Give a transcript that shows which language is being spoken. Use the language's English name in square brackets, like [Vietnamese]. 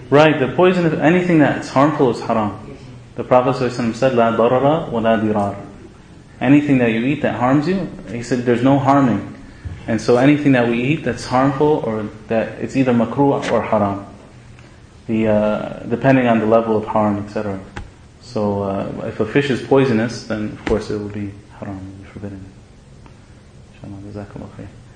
[English] Right, the poison, anything that's harmful is haram. The Prophet ﷺ said, [Arabic] لَا ضَرَرَ وَلَا دِرَارَ. [English] Anything that you eat that harms you, he said, there's no harming. And so anything that we eat that's harmful, or that it's either makruh or haram, depending on the level of harm, etc. So if a fish is poisonous, then of course it will be haram, it will be forbidden. InshaAllah, JazakAllahu khair.